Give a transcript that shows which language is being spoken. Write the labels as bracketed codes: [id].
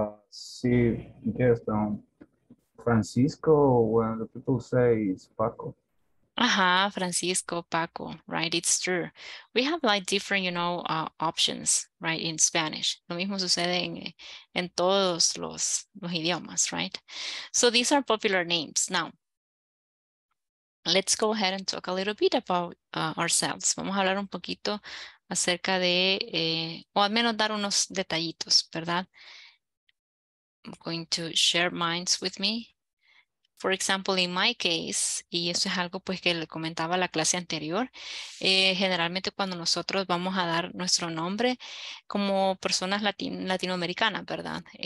[en] Sí, yes, Francisco, when the people say it's Paco. Francisco, Paco, right? It's true. We have like different, you know, options, right? In Spanish. [es] Lo mismo sucede en todos los idiomas, right? [en] So these are popular names. Now, let's go ahead and talk a little bit about ourselves. [es] Vamos a hablar un poquito acerca de, o al menos dar unos detallitos, ¿verdad? [en] I'm going to share minds with me. For example, in my case, [es] y eso es algo pues que le comentaba la clase anterior, generalmente cuando nosotros vamos a dar nuestro nombre como personas latinoamericanas, ¿verdad?